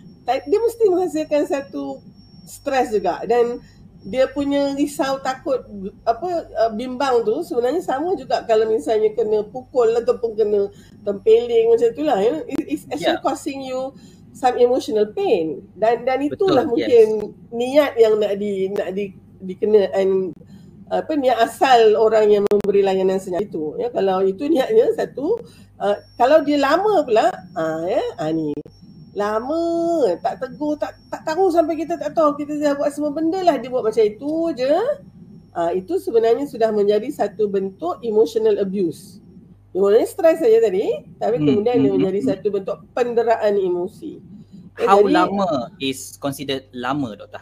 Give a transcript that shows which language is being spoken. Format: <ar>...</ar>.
<ms>Dia mesti menghasilkan satu stres juga. Dan dia punya risau, takut, apa bimbang tu sebenarnya sama juga kalau misalnya kena pukul ataupun kena tempeling macam itulah. Ya?</ms> <en>It's actually yeah. causing you some emotional pain.</en> <ms>Dan itulah betul, mungkin yes. niat yang nak dikena and apa niat asal orang yang memberi layanan senyap itu ya, kalau itu niatnya satu, kalau dia lama pula ni lama tak tegur, tak tahu sampai kita tak tahu kita dah buat semua benda lah, dia buat macam itu je, itu sebenarnya sudah menjadi satu bentuk emotional abuse. Dia mulanya stres saja tadi tapi kemudian dia menjadi satu bentuk penderaan emosi.</ms> <en>How lama is considered lama, Dr.</en>